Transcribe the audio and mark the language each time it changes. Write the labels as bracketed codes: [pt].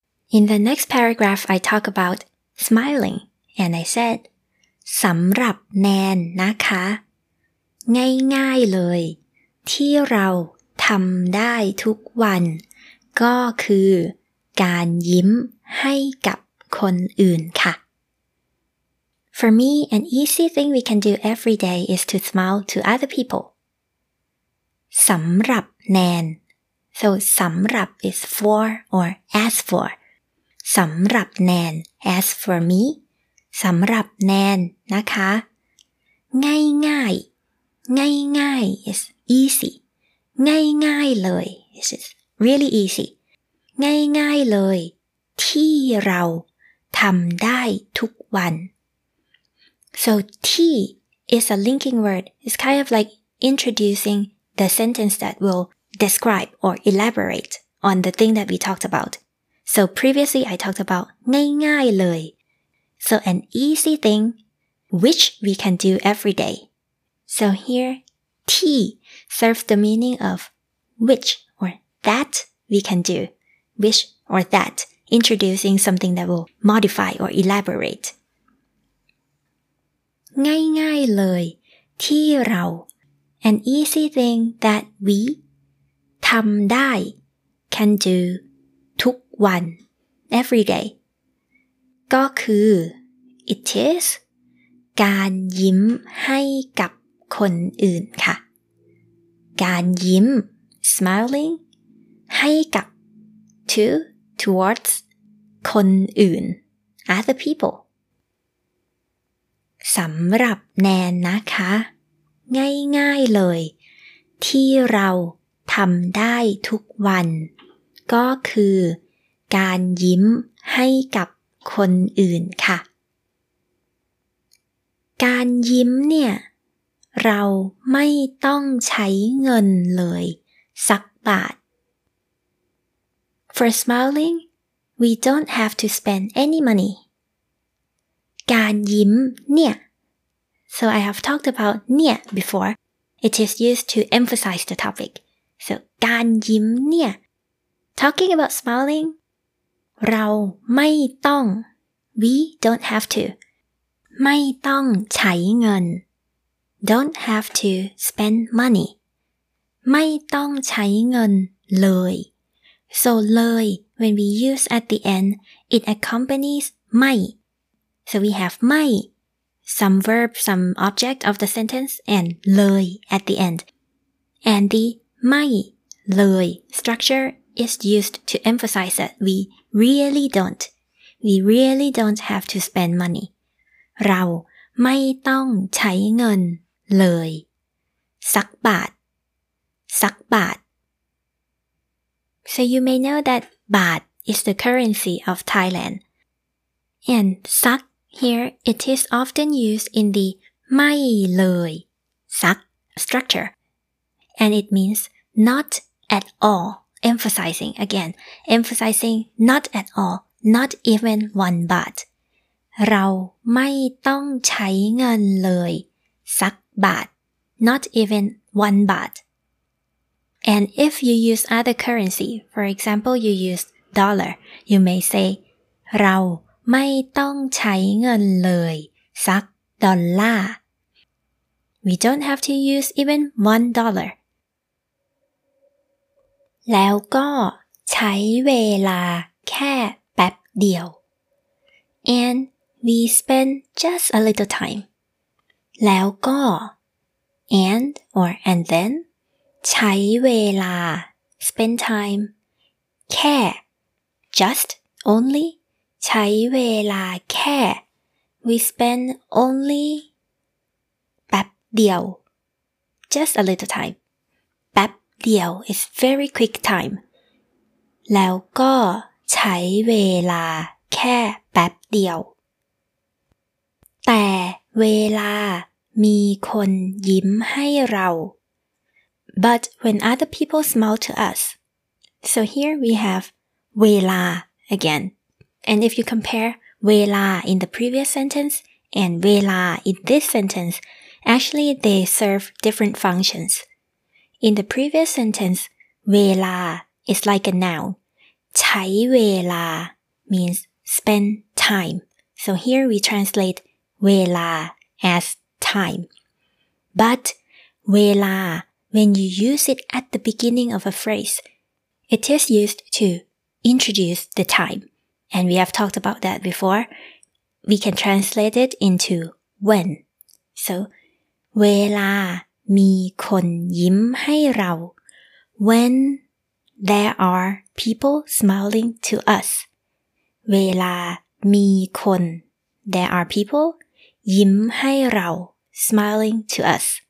[en] In the next paragraph, I talk about smiling, and I said, [th] สำหรับแนนนะคะง่ายๆเลยที่เราทำได้ทุกวันก็คือการยิ้มให้กับคนอื่นค่ะ [en] For me, an easy thing we can do every day is to smile to other people. สำหรับแนน So, สำหรับ is for or as for. [th] สำหรับแนน [en] as for me [th] สำหรับแนนนะคะง่ายง่ายง่ายง่าย [en] is easy [th] ง่ายง่ายเลย [en] is really easy [th] ง่ายง่ายเลยที่เราทำได้ทุกวัน [en] so ที่ is a linking word it's kind of like introducing the sentence that will describe or elaborate on the thing that we talked aboutSo previously, I talked about ง่ายๆเลย So an easy thing which we can do every day. So here, T serves the meaning of which or that we can do. Which or that, introducing something that will modify or elaborate. [th] ง่ายๆเลยที่เรา [en] An easy thing that we ทำได้ can do. One, every day. ก็คือ it is [th] การยิ้มให้กับคนอื่นค่ะการยิ้ม [en] smiling ให้กับ to, towards คนอื่น other people. [th] สำหรับแนนนะคะง่ายง่ายเลยที่เราทำได้ทุกวันก็คือการยิ้มให้กับคนอื่นค่ะการยิ้มเนี่ยเราไม่ต้องใช้เงินเลยสักบาท [en] For smiling, we don't have to spend any money. [th] การยิ้มเนี่ย [en] So I have talked about เนี่ย before. It is used to emphasize the topic. So [th] การยิ้มเนี่ย [en] Talking about smiling [th] เราไม่ต้อง [en] We don't have to [th] ไม่ต้องใช้เงิน [en] Don't have to spend money [th] ไม่ต้องใช้เงินเลย [en] So เลย when we use at the end it accompanies ไม่ So we have ไม่ some verb some object of the sentence and เลย at the end and the ไม่เลย structureIs used to emphasize that we really don't. We really don't have to spend money. [th] เราไม่ต้องใช้เงินเลยสักบาทสักบาท [en] So you may know that baht is the currency of Thailand. And สัก here, it is often used in the [th] ไม่เลย [en] สัก structure. And it means not at all. Emphasizing, again, emphasizing not at all, not even one baht. [th] เราไม่ต้องใช้เงินเลยสักบาท [en] not even one baht. And if you use other currency, for example, you use dollar, you may say, [th] เราไม่ต้องใช้เงินเลยสักดอลลาร์ [en] We don't have to use even one dollar. [th] แล้วก็ใช้เวลาแค่แป๊บเดียว [en] and we spend just a little time [th] แล้วก็ [en] and or and then [th] ใช้เวลา [en] spend time [th] แค่ [en] just only [th] ใช้เวลาแค่ [en] we spend only [th] แป๊บเดียว [en] just a little time เดียว is very quick time [th] แล้วก็ ใช้เวลาแค่แป๊บเดียวแต่เวลามีคนยิ้มให้เรา [en] But when other people smile to us. So here we have เวลา again. And if you compare เวลา in the previous sentence and เวลา in this sentence, actually they serve different functions. In the previous sentence, เวลา is like a noun. ใช้เวลา means spend time. So here we translate เวลา as time. But เวลา, when you use it at the beginning of a phrase, it is used to introduce the time. And we have talked about that before. We can translate it into when. So [th] เวลามีคนยิ้มให้เรา [en] When there are people smiling to us. [th] เวลามีคน [en] There are people [th] ยิ้มให้เรา [en] Smiling to us.